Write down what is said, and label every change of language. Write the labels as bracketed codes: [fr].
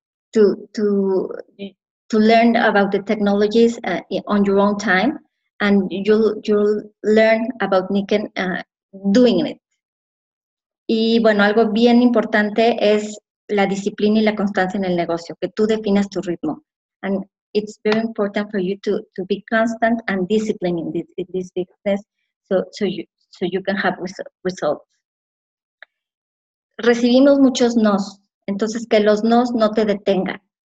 [en] to learn about the technologies on your own time, and you'll learn about Nikken doing it. [es] Y bueno, algo bien importante es la disciplina y la constancia en el negocio, que tú definas tu ritmo. [en] And it's very important for you to be constant and disciplined in this business so you can have results. [es] Recibimos muchos nos. Entonces, que los nos no te detengan.